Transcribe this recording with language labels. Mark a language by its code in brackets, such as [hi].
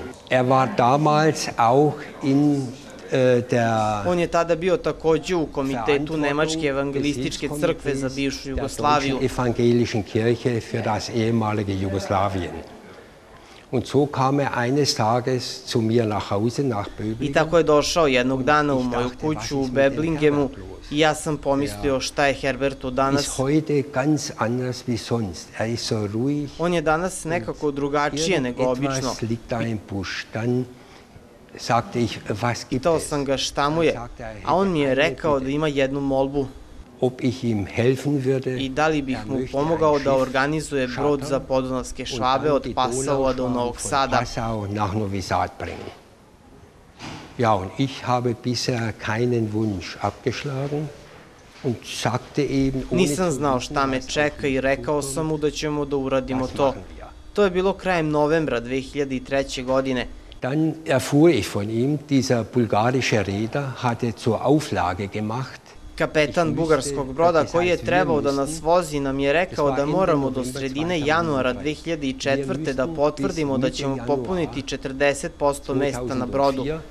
[de] War damals auch in der [sr] On je tada bio takođe u komitetu Nemačke evangelističke crkve za bivšu Jugoslaviju. [de] Evangelischen Kirche für das ehemalige Jugoslawien. Und so kam eines Tages zu mir nach Hause, nach Böblingen. [sr] I tako je došao jednog dana u moju kuću u Böblingenu i ja sam pomislio šta je Herbertu danas. [de] Ist heute ganz anders wie sonst. Ist so ruhig. [sr] On je danas nekako drugačije nego obično. [de] Etwas liegt da im Busch. Dann sagte ich, was gibt [sr] es? Pitao sam ga šta mu je, a on mi je rekao da ima jednu molbu. [de] Ob ich ihm helfen würde. [sr] I da li bih mu pomogao da organizuje brod za podunavske švabe od Passaua do Novog Sada. [de] Passau nach Novi Sad bringen. Ja, und ich habe bisher keinen Wunsch abgeschlagen und sagte eben, [sr] nisam znao šta me čeka i rekao sam mu da ćemo da uradimo to. To je bilo krajem novembra 2003. godine. [de] Dann erfuhr ich von ihm, dieser bulgarische Reeder hatte zur Auflage gemacht. [sr] Kapetan bugarskog broda koji je trebao da nas vozi nam je rekao da moramo do sredine januara 2004. da potvrdimo da ćemo popuniti 40% mesta na brodu.